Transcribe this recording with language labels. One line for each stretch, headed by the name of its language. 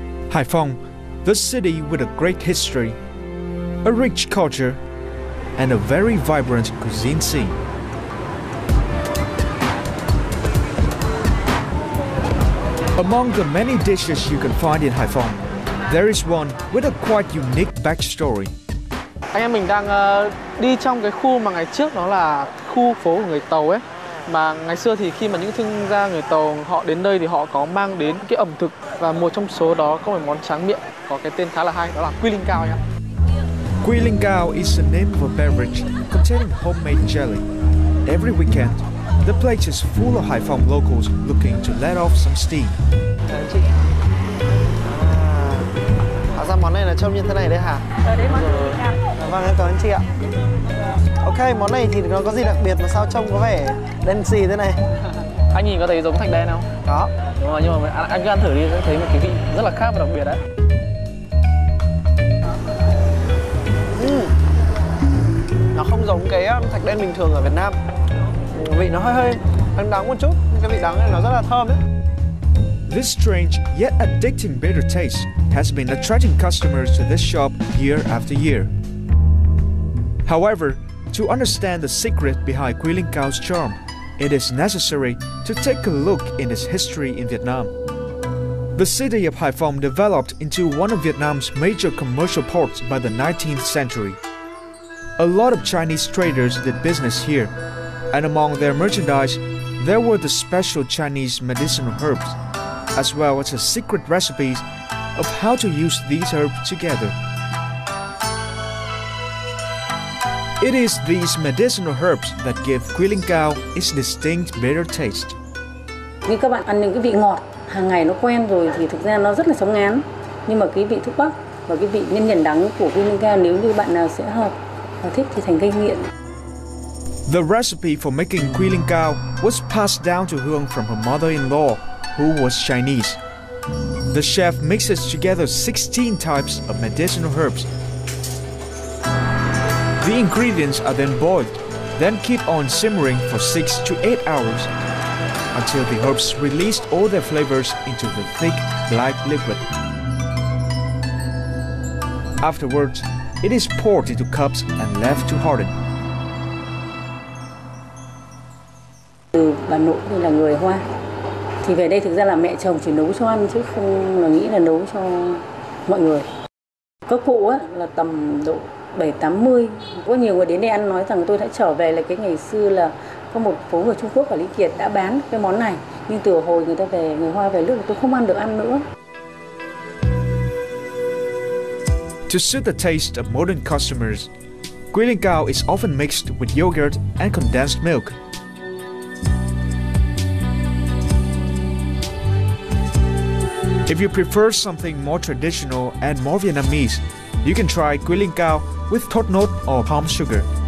English: Haiphong, the city with a great history, a rich culture, and a very vibrant cuisine scene. Among the many dishes you can find in Haiphong, there is one with a quite unique backstory.
Vietnamese: Anh em mình đang đi trong cái khu mà ngày trước nó là khu phố của người Tàu ấy. Mà ngày xưa thì khi mà những thương gia người Tàu họ đến đây thì họ có mang đến cái ẩm thực và một trong số đó có một món tráng miệng có cái tên khá là hay, đó là quy linh cao nhá.
English: Quy linh cao is the name of a beverage containing homemade jelly. Every weekend, the place is full of Haiphong locals looking to let off some steam.
Vietnamese: Hóa ra món này là trông như thế này đấy hả? Vâng, em cảm ơn chị ạ. Ok, món này thì nó có gì đặc biệt mà sao trông có vẻ đen xì thế này? Anh nhìn có thấy giống thạch đen không? Có. Đúng rồi, nhưng mà anh cứ ăn thử đi, sẽ thấy một cái vị rất là khác và đặc biệt đấy. Nó không giống cái thạch đen bình thường ở Việt Nam. Vị nó hơi đắng đắng một chút, nhưng cái vị đắng này nó rất là thơm đấy.
English: This strange yet addicting bitter taste has been attracting customers to this shop year after year. However, to understand the secret behind Quy Linh Cao's charm, it is necessary to take a look in its history in Vietnam. The city of Haiphong developed into one of Vietnam's major commercial ports by the 19th century. A lot of Chinese traders did business here, and among their merchandise, there were the special Chinese medicinal herbs, as well as her secret recipes of how to use these herbs together. It is these medicinal herbs that give quilling cao its distinct bitter taste.
Vietnamese: Khi các bạn ăn những cái vị ngọt hàng ngày nó quen rồi thì thực ra nó rất là sống ngán. Nhưng mà cái vị thuốc bắc và cái vị nhân nhân đắng của quilling cao nếu như bạn nào sẽ hợp và thích thì thành gây nghiện.
English: The recipe for making quilling cao was passed down to Hương from her mother-in-law, who was Chinese. The chef mixes together 16 types of medicinal herbs. The ingredients are then boiled, then keep on simmering for 6 to 8 hours until the herbs release all their flavors into the thick black liquid. Afterwards, it is poured into cups and left to harden.
Vietnamese: Từ bà nội thì là người Hoa, thì về đây thực ra là mẹ chồng chỉ nấu cho ăn chứ không là nghĩ là nấu cho mọi người. Các cụ á là tầm độ 70-80, có nhiều người đến đây ăn nói rằng tôi đã trở về là cái ngày xưa là có một phố người Trung Quốc ở Lý Kiệt đã bán cái món này, nhưng từ hồi người ta về người Hoa về nước tôi không ăn được ăn nữa.
English: To suit the taste of modern customers, quilling cao is often mixed with yogurt and condensed milk. If you prefer something more traditional and more Vietnamese, you can try quilling cao with thốt nốt or palm sugar.